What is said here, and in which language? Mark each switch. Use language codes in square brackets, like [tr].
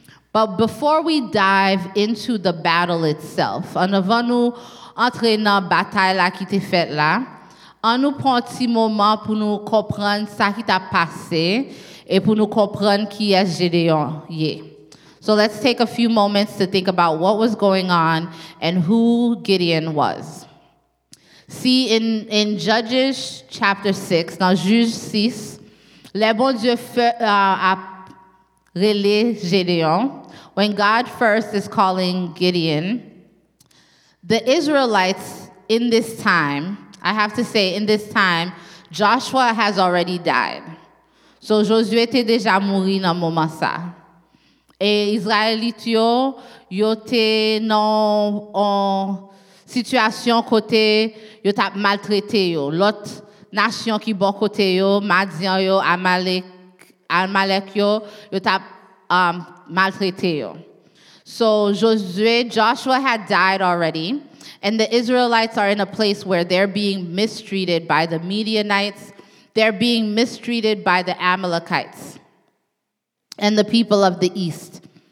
[en] But before we dive into the battle itself, [ht] avant nous entrer dans la bataille là qui t'est faite là, on nous prend un petit moment pour nous comprendre ce qui t'a passé et pour nous comprendre qui est Gédéon. [en] So let's take a few moments to think about what was going on and who Gideon was. See, in Judges chapter 6, [ht] dans Juges 6, le bon Dieu a relé Gédéon. [en] When God first is calling Gideon, the Israelites in this time, I have to say, in this time, Joshua has already died. [ht] So Josué était déjà mort dans moment ça. Et Israélites, yo étaient en situation côté yo t'a maltraité yo l'autre nation qui bon côté yo madian yo amalek yo t'a maltraité yo. [en] So Joshua had died already, and the Israelites are in a place where they're being mistreated by the Midianites, they're being mistreated by the Amalekites and the people of the east.